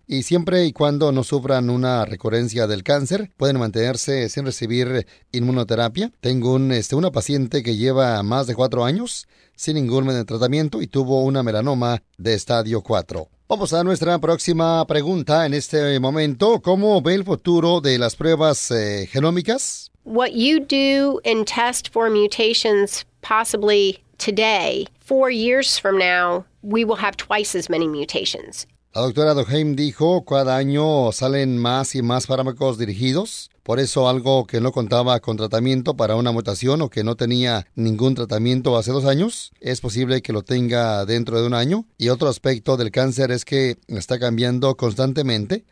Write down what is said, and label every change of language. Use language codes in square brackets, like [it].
[es] Y siempre y cuando no sufran una recurrencia del cáncer, pueden mantenerse sin recibir inmunoterapia. Tengo una paciente que lleva más de 4 años sin ningún medio de tratamiento y tuvo una melanoma de estadio 4. Vamos a nuestra próxima pregunta en este momento. ¿Cómo ve el futuro de las pruebas genómicas? [en] What you do and test for mutations possibly today, 4 years from now, we will have twice as many mutations. [es] La doctora Doheim dijo, cada año salen más y más fármacos dirigidos. Por eso algo que no contaba con tratamiento para una mutación o que no tenía ningún tratamiento hace 2 años, es posible que lo tenga dentro de 1 año. Y otro aspecto del cáncer es que está cambiando constantemente.